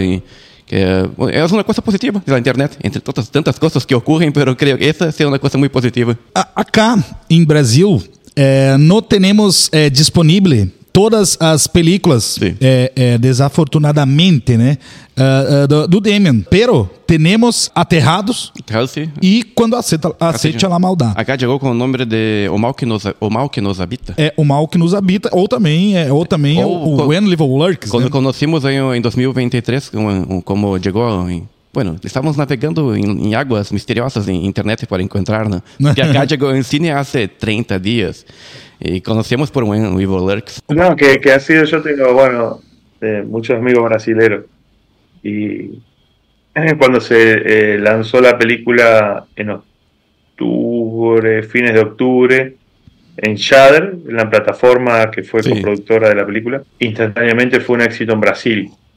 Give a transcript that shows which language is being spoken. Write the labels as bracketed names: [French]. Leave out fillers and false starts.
[Spanish] Y es una cosa positiva de la internet, entre todas tantas cosas que ocurren, pero creo que esa sea una cosa muy positiva. Acá en Brasil no tenemos disponible todas as películas, desafortunadamente, [Portuguese] né? Do Damien. [Spanish] Pero tenemos Aterrados. [Portuguese] Aterrados, sim. E Quando aceita a Maldade. [Spanish] Acá [Portuguese] chegou com o nome de O Mal Que Nos Habita. É, O Mal Que Nos Habita. Ou também o When Evil Lurks. Quando conhecemos em 2023, como chegou em... [Spanish] Bueno, [Portuguese] estamos navegando em águas misteriosas em internet para encontrar, né? E acá chegou em cine há 30 dias. [Spanish] Y conocemos por When Evil Lurks. No, que ha sido, yo tengo, bueno, muchos amigos brasileños. Y cuando se lanzó la película en octubre, fines de octubre, en Shudder, en la plataforma que fue coproductora de la película, instantáneamente fue un éxito en Brasil.